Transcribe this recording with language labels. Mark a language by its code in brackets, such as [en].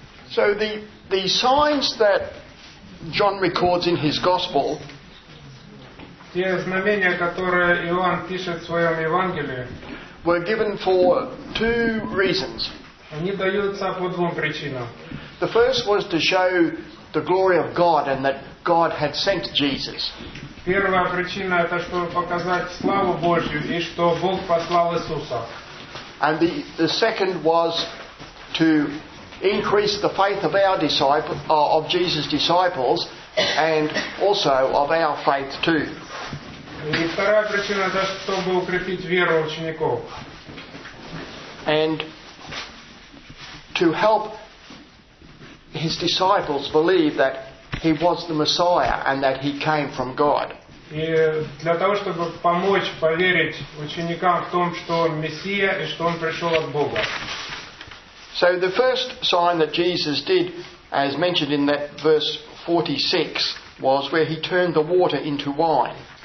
[en] So the signs that John records in his gospel, [ru] те знамения, которые Иоанн пишет в своем Евангелии, [en] were given for two reasons. [ru] Они даются по двум причинам. [en] The first was to show the glory of God and that God had sent Jesus. [ru] Первая причина это чтобы показать славу Божью и что Бог послал Иисуса. [en] And the second was to increase the faith of our disciples, of Jesus' disciples, and also of our faith too. [ru] И вторая причина это чтобы укрепить веру учеников. [en] And to help his disciples believe that he was the Messiah and that he came from God. [ru] И для того, чтобы помочь поверить ученикам в том, что он Мессия и что он пришел от Бога. [en] So the first sign that Jesus did, as mentioned in that verse 46, was where he turned the water into wine.